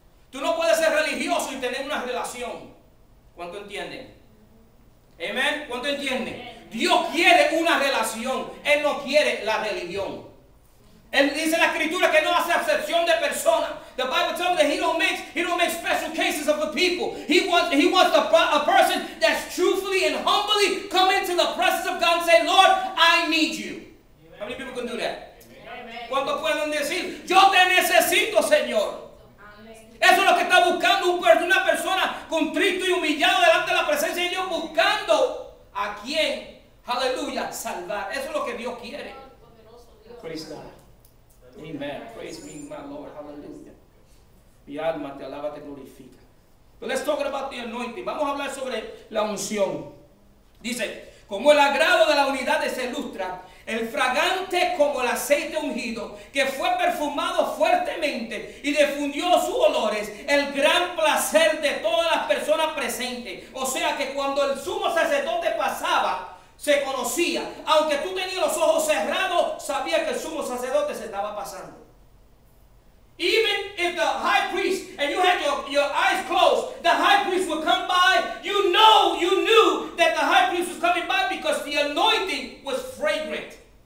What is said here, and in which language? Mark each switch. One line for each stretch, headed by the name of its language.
Spanish: Tú no puedes ser religioso y tener una relación. ¿Cuánto entienden? Amen. ¿Cuánto entienden? Dios quiere una relación. Él no quiere la religión. Él dice en la escritura que no hace excepción de personas.
English: The Bible tells me that he don't make special cases of the people. He wants a person that's truthfully and humbly come into the presence of God and say, Lord, I need you. Amen. How many people can do that? Amen.
Spanish: ¿Cuánto pueden decir? Yo te necesito, Señor. Amen. Eso es lo que está buscando una persona contrito y humillado delante de la presencia de Dios, buscando a quien, aleluya, salvar. Eso es lo que Dios quiere.
English: Praise God.
Spanish: Amen.
English: Praise me, my Lord.
Spanish: Hallelujah. Mi alma te alaba, te glorifica.
English: But let's talk about the anointing.
Spanish: Vamos a hablar sobre la unción. Dice, como el agrado de la unidad se ilustra, el fragante como el aceite ungido, que fue perfumado fuertemente y difundió sus olores, el gran placer de todas las personas presentes. O sea que cuando el sumo sacerdote pasaba, se conocía. Aunque tú tenías los ojos cerrados, sabía que el sumo sacerdote se estaba pasando.
English: Even if the high priest, and you had your eyes closed, the high priest would come by, you knew that the high priest was coming by because the anointing was fragrant.